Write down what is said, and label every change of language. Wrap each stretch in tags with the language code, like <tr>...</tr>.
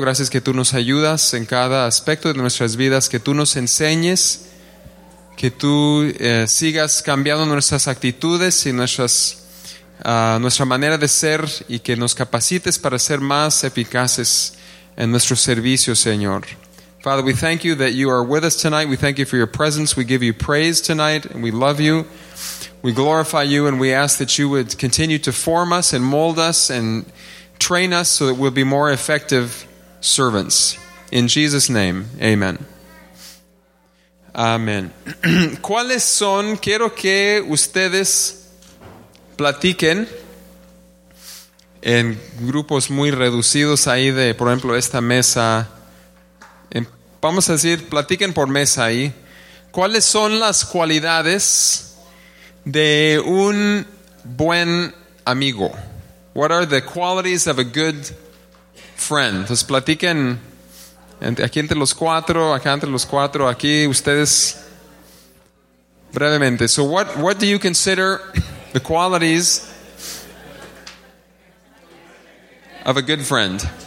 <es>Gracias que tú nos ayudas en cada aspecto de nuestras vidas. Que tú nos enseñes. Que tú sigas cambiando nuestras actitudes y nuestra manera de ser, y que nos capacites para ser más eficaces en nuestro servicio, Señor.</es> <en>Father, we thank you that you are with us tonight. We thank you for your presence. We give you praise tonight, and we love you. We glorify you, and we ask that you would continue to form us and mold us and train us so that we'll be more effective servants. In Jesus' name, amen.</en> <es>Amén. ¿Cuáles son? Quiero que ustedes platiquen en grupos muy reducidos ahí de, por ejemplo, esta mesa. Vamos a decir, platiquen por mesa ahí. ¿Cuáles son las cualidades de un buen amigo?</es> <en>What are the qualities of a good friend?</en> <es>Entonces, platiquen. Aquí entre los cuatro, acá entre los cuatro, aquí ustedes brevemente.</es> <en>So what do you consider the qualities of a good friend?</en>